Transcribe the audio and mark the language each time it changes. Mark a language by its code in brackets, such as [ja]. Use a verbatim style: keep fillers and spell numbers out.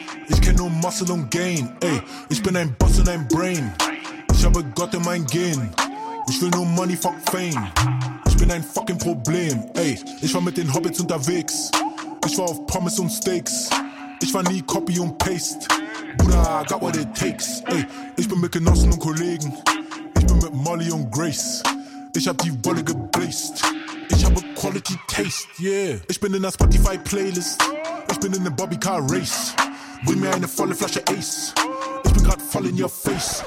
[de] Ich kenn nur Muscle und Gain, ey. Ich bin ein Boss und ein Brain. Ich habe Gott in mein Gen. Ich will nur Money, fuck Fame. Ich bin ein fucking Problem, ey. Ich war mit den Hobbits unterwegs. Ich war auf Pommes und Steaks. Ich war nie Copy und Paste. [en] Bruder, I got what it takes, ey. [de] Ich bin mit Genossen und Kollegen. Ich bin mit Molly und Grace. Ich hab die Wolle geblazed. Ich habe Quality Taste, yeah. Ich bin in der Spotify Playlist. Ich bin in der Bobby Car Race. Bring mir eine volle Flasche Ace. Ich bin grad voll [en] in your face.